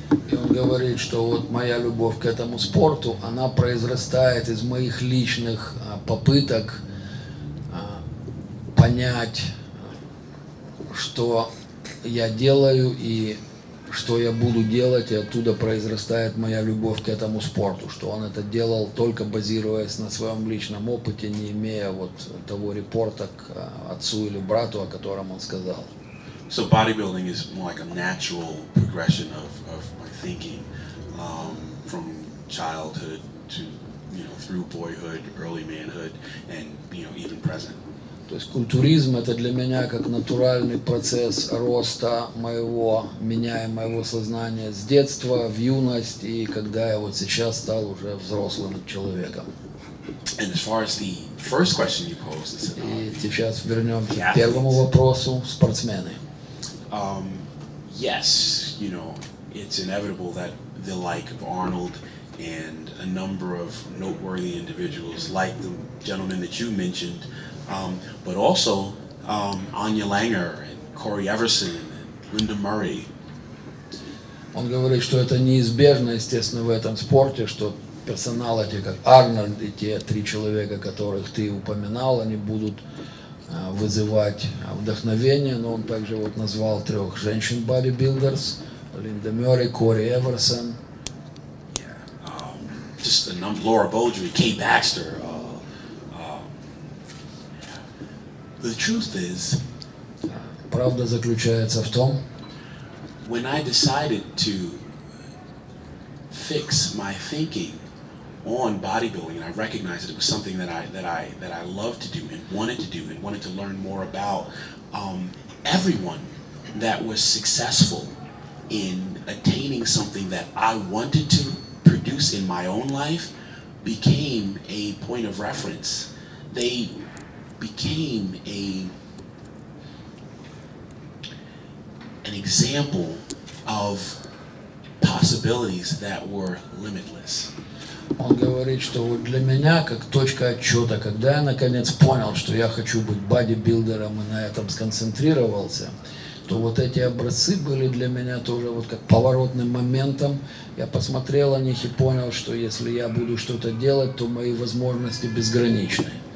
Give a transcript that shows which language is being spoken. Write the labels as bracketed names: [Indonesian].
[Russian] И он говорит, что вот моя любовь к этому спорту, она произрастает из моих личных попыток понять, что я делаю и что я буду делать, и оттуда произрастает моя любовь к этому спорту, что он это делал только базируясь на своем личном опыте, не имея вот того репорта к отцу или брату, о котором он сказал. [English] So bodybuilding is more like a natural progression of my thinking from childhood to, you know, through boyhood, early manhood, and, you know, even present. [Russian] То есть культуризм – это для меня как натуральный процесс роста моего, меняя моего сознания с детства, в юность, и когда я вот сейчас стал уже взрослым человеком. [English] And as far as the first question you posed, it's about [Russian] и сейчас вернемся к первому вопросу – спортсмены. [English] Yes, you know, it's inevitable that the like of Arnold and a number of noteworthy individuals like the gentleman that you mentioned, but also Anya Langer and Corey Everson and Linda Murray. [Russian] Он говорит, что это неизбежно, естественно, в этом спорте, что персонал эти, как Арнольд, и те три человека, которых ты упоминал, они будут вызывать вдохновение. Но он также вот назвал трех женщин-бодибилдерс: Линда Мюррей, Кори Эверсон. [English] Just a number, Laura Beaudry, Kay Baxter. The truth is, [Russian] правда заключается в том, [English] when I decided to fix my thinking on bodybuilding, and I recognized that it was something that I loved to do and wanted to do and wanted to learn more about, everyone that was successful in attaining something that I wanted to produce in my own life became a point of reference. They became an example of possibilities that were limitless. [Russian] Он говорит, что вот для меня, как точка отчета, когда я наконец понял, что я хочу быть бодибилдером и на этом сконцентрировался, то вот эти образцы были для меня тоже вот как поворотным моментом. Я посмотрел на них и понял, что если я буду что-то делать, то мои возможности безграничны.